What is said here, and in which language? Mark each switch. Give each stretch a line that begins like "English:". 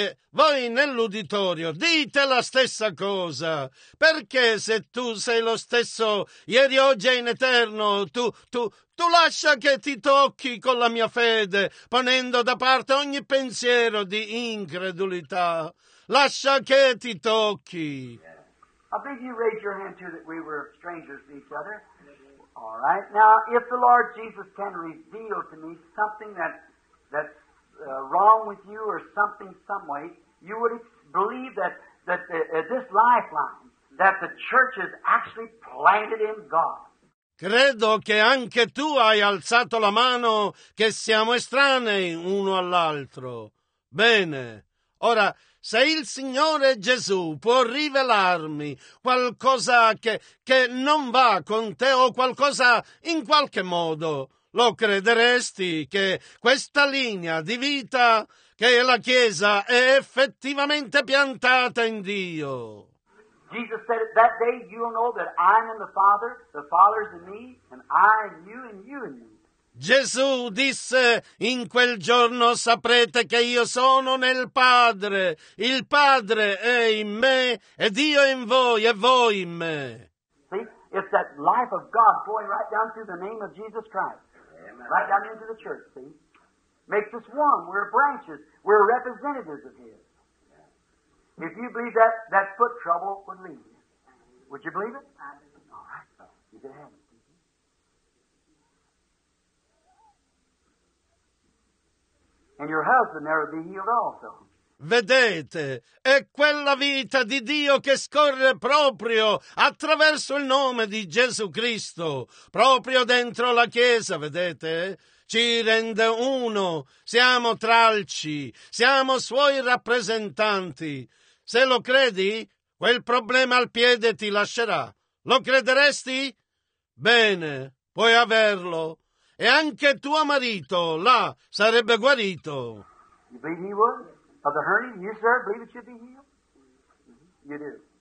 Italian: Voi nell'uditorio dite la stessa cosa, perché se tu sei lo stesso ieri, oggi e in eterno, tu lascia che ti tocchi con la mia fede, ponendo da parte ogni pensiero di incredulità. Lascia che ti tocchi.
English: Yeah. I think you raised your hand too that we were strangers to each other. All right. Now, if the Lord Jesus can reveal to me something that's wrong with you or something, some way, you would believe that this lifeline that the church is actually planted in God.
Italian: Credo che anche tu hai alzato la mano, che siamo estranei uno all'altro. Bene. Ora, se il Signore Gesù può rivelarmi qualcosa che non va con te o qualcosa in qualche modo, lo crederesti che questa linea di vita, che è la Chiesa, è effettivamente piantata in Dio?
English: Jesus said, that day you will know that I am in the Father is in me, and I in you, and you in me.
Italian: Gesù disse, in quel giorno saprete che io sono nel Padre, il Padre è in me, ed io in voi, e voi in me.
English: See, it's that life of God flowing right down through the name of Jesus Christ. Amen. Right down into the church, see? Makes us one, we're branches, we're representatives of His. If you believe that, that foot trouble would leave you. Would you believe it? I believe it. All right. You can have it. And your husband never be healed also.
Italian: Vedete, è quella vita di Dio che scorre proprio attraverso il nome di Gesù Cristo, proprio dentro la Chiesa, vedete? Ci rende uno, siamo tralci, siamo suoi rappresentanti. Se lo credi, quel problema al piede ti lascerà. Lo crederesti? Bene, puoi averlo. E anche tuo marito, là, sarebbe guarito.
English: You believe he would? Of the hernia, you sir, believe it should be healed? Mm-hmm. You do.